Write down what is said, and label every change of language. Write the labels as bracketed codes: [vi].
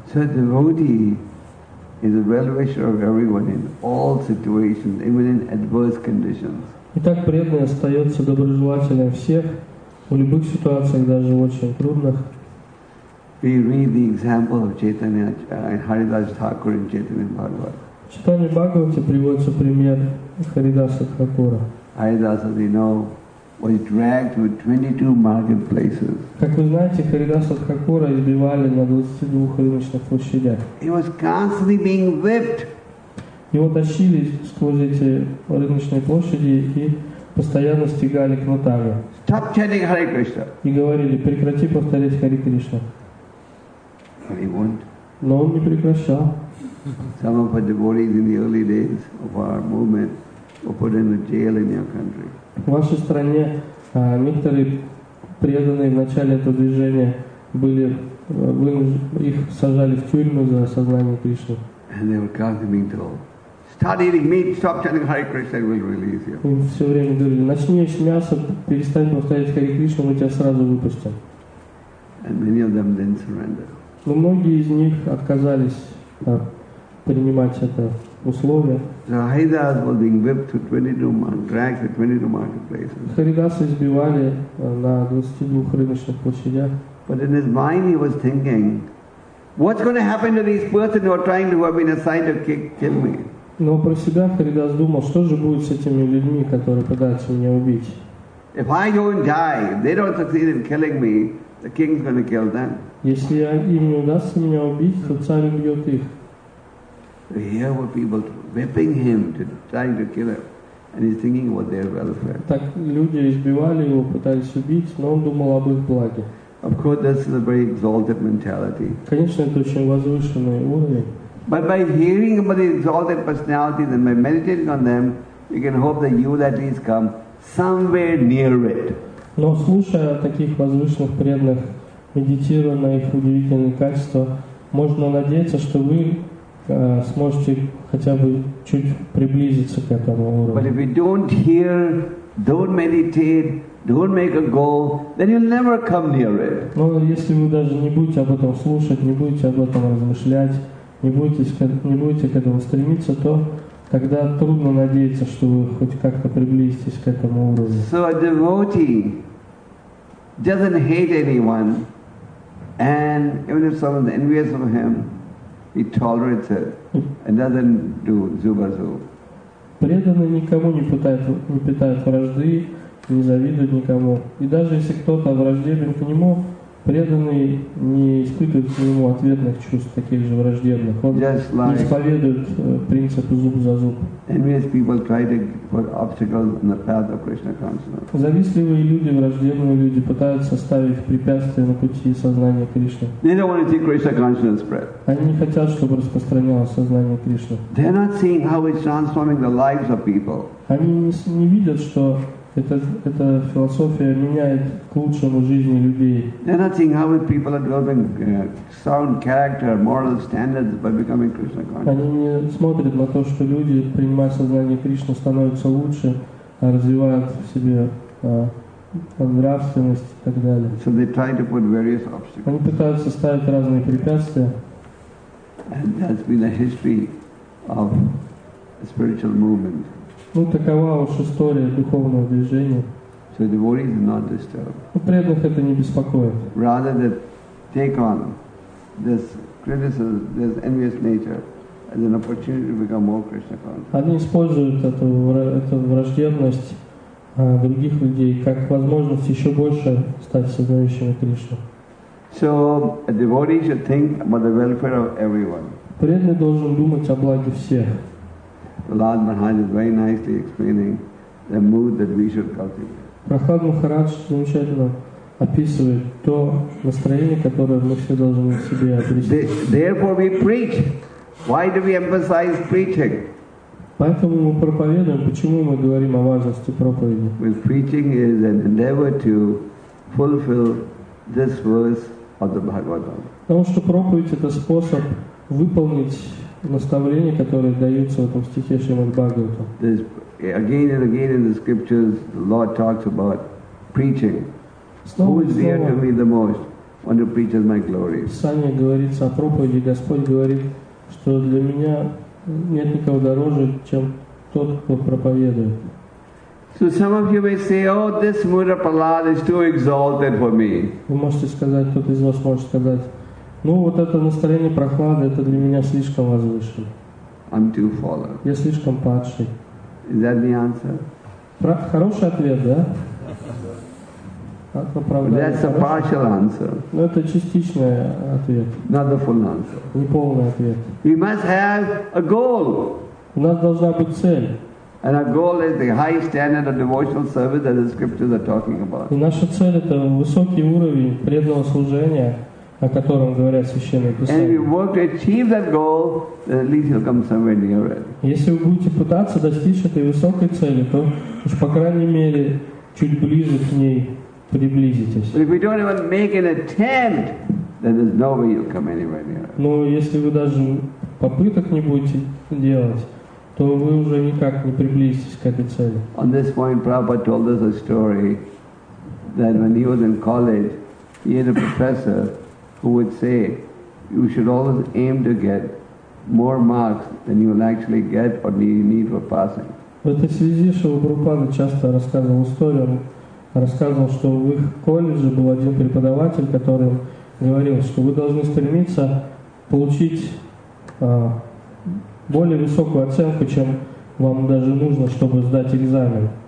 [en] So the devotee is the well-wisher of everyone in all situations, even in adverse conditions. [ru] Итак, преданный остается доброжелателем всех в любых ситуациях, даже в очень трудных. [en] We read the example of Chaitanya and Haridas Thakur in Chaitanya Bhagavata. [ru] В Читании Бхагавате приводится пример Харидаса Тхакура. [en] Haridas, as you know, was dragged to 22 marketplaces. [ru] Как вы знаете, Харидаса Тхакура избивали на 22 рыночных площадях. [en] He was constantly being whipped. [ru] Его тащили сквозь эти рыночные площади и постоянно стегали кнутами. [en] Stop chanting Hare Krishna. [ru] И говорили: прекрати повторять Хари Кришна. [en] He won't. [ru] Но он не прекращал. [en] Some of our devotees in the early days of our movement were put in a jail in your country. [ru] В вашей стране некоторые преданные в начале этого движения были их сажали в тюрьму за сознание Кришны. [en] And they were constantly being told, "Start eating meat, stop chanting Hare Krishna, and we'll release you." [ru] Все время говорили: начни есть мясо, перестань повторять Хари Кришну, мы тебя сразу выпустим. [en] And many of them didn't surrender. [ru] Но многие из них отказались принимать это условие. [en] Haridas was being whipped to 22, dragged to 22 marketplaces. [ru] Haridas избивали на 22 рыночных площадях. [en] But in his mind he was thinking, what's going to happen to these persons who are trying to have been assigned to kill me? [ru] Но про себя Haridas думал, что же будет с этими людьми, которые пытаются меня убить? [en] If I don't die, they don't succeed in killing me, the king's going to kill them. [ru] Если им не удастся меня убить, то царь убьет их. [en] Here were people whipping him, trying to kill him, and he's thinking about their welfare. [ru] Так люди избивали его, пытались убить, но он думал об их благе. [en] Of course, this is a very exalted mentality. [ru] Конечно, это очень возвышенный уровень. [en] But by hearing about the exalted personalities and by meditating on them, you can hope that you will at least come somewhere near it. [ru] Но слушая таких возвышенных преданных, медитируя на их удивительные качества, можно надеяться, что вы сможете хотя бы чуть приблизиться к этому уровню. [en] But if you don't hear, don't meditate, don't make a goal, then you'll never come near it. [ru] Но если вы даже не будете об этом слушать, не будете об этом размышлять, не будете к этому стремиться, то тогда трудно надеяться, что вы хоть как-то приблизитесь к этому уровню. [en] So a devotee doesn't hate anyone, and even if someone's envious of him, he tolerates it and doesn't do [ru] zubazu. Преданный никому не питает вражды, не завидует никому. И даже если кто-то враждебен к нему, преданный не испытывает к нему ответных чувств, таких же враждебных. Он не исповедует принцип зуб за зуб. [en] Envious people try to put obstacles on the path of Krishna consciousness. [ru] Завистливые люди, враждебные люди пытаются ставить препятствия на пути сознания Кришны. [en] They don't want to see Krishna consciousness spread. [ru] Они не хотят, чтобы распространялось сознание Кришны. [en] They're not seeing how it's transforming the lives of people. [ru] Они не видят, что эта философия меняет к лучшему жизни людей. [en] They're not seeing how people are developing sound character, moral standards by becoming Krishna conscious. [ru] Они не смотрят на то, что люди, принимая сознание Кришны, становятся лучше, развивают в себе нравственность и так далее. [en] So they try to put various obstacles. [ru] Они пытаются ставить разные препятствия. [en] And that's been a history of a spiritual movement. [ru] Ну, такова уж история духовного движения. [en] So devotees are not disturbed. [ru] Но преданных это не беспокоит. [en] Rather than take on this criticism, this envious nature as an opportunity to become more Krishna conscious. [ru] Они используют эту враждебность других людей как возможность еще больше стать сознающими Кришну. [en] So a devotee should think about the welfare of everyone. [ru] Преданный должен думать о благе всех. [en] Lord Maharaj is very nicely explaining the mood that we should cultivate. [ru] Прохлад Махарадж замечательно описывает то настроение, которое мы все должны в себе обрести. [en] Therefore we preach. Why do we emphasize preaching? [ru] Поэтому мы проповедуем. Почему мы говорим о важности проповеди? [en] Well, preaching is an endeavor to fulfill this verse of the Bhagavad Gita. [ru] Потому что проповедь — это способ выполнить наставления, которые даются в этом стихе Шримад Бхагаватам. [en] Again and again in the scriptures, the Lord talks about preaching. Who is dear to me the most? One who preaches my glory. [ru] Писание говорится о проповеди. Господь говорит что для меня нет никого дороже, чем тот, кто проповедует. [en] So some of you may say, "Oh, this Mudra Prahlad is too exalted for me." [ru] Вы можете сказать, кто-то из вас может сказать, "Ну вот это настроение прохлады, это для меня слишком возвышенно." [en] I'm too fallen. [ru] Я слишком падший. [en] Is that the answer? [ru] Хороший ответ, да? [en] That's a partial answer. [ru] Но это частичный ответ. [en] Not the full answer. [ru] Не полный ответ. [en] We must have a goal. [ru] У нас должна быть цель. [en] And our goal is the high standard of devotional service that the scriptures are talking about. [ru] И наша цель это высокий уровень преданного служения, о котором говорят священные писания. [en] And if you work to achieve that goal, then at least you'll come somewhere near it. [ru] Если вы будете пытаться достичь этой высокой цели, то уж по крайней мере чуть ближе к ней приблизитесь. [en] But if you don't even make an attempt, then there's no way you'll come anywhere near it. [ru] Но если вы даже попыток не будете делать, то вы уже никак не приблизитесь к этой цели. [en] On this point, Prabhupada told us a story that when he was in college, he had a professor who would say, "You should always aim to get more marks than you will actually get or you need for passing." [ru] В этой связи Шрила Прабхупада часто рассказывал историю. Он рассказывал, что в их колледже был один преподаватель, который говорил, что вы должны стремиться получить более высокую оценку, чем вам даже нужно, чтобы сдать экзамен.